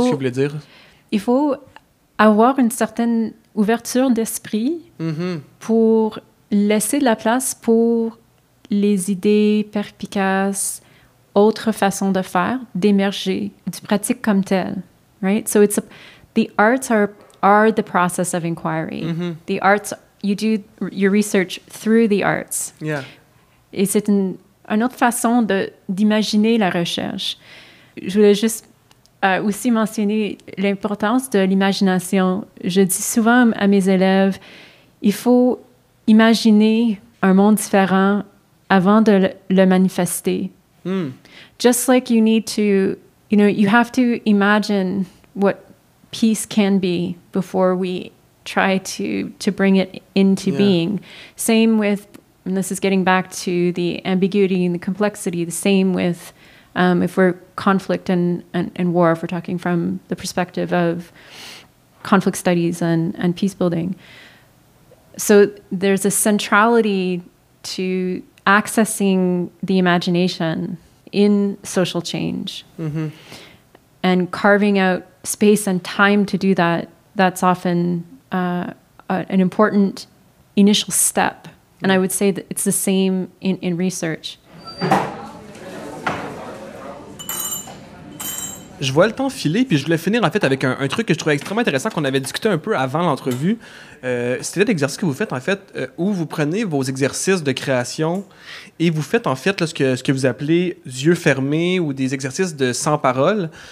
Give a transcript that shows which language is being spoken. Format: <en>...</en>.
<fr>Qu'est-ce que vous voulez dire? Il faut avoir une certaine ouverture d'esprit pour laisser de la place pour les idées perspicaces, autres façons de faire, d'émerger, du pratique comme telle.</fr> <en>Right? So, it's a, the arts are the process of inquiry. Mm-hmm. The arts... You do your research through the arts. Yeah.</en> <fr>Et c'est une autre façon d'imaginer la recherche. Je voulais juste aussi mentionner l'importance de l'imagination. Je dis souvent à mes élèves, il faut imaginer un monde différent avant de le manifester. Mm.</fr> <en>Just like you need to, you know, you have to imagine what peace can be before we try to bring it into being. Same with, and this is getting back to the ambiguity and the complexity, the same with if we're conflict and war, if we're talking from the perspective of conflict studies and peace building. So there's a centrality to accessing the imagination in social change. Mm-hmm. And carving out space and time to do that, that's often... an important initial step. And I would say that it's the same in research.</en> <fr>Je vois le temps filer, puis je voulais finir en fait avec un truc que je trouvais extrêmement intéressant qu'on avait discuté un peu avant l'entrevue. C'était l'exercice que vous faites en fait, où vous prenez vos exercices de création et vous faites en fait là, ce que vous appelez yeux fermés ou des exercices de sans parole.</fr>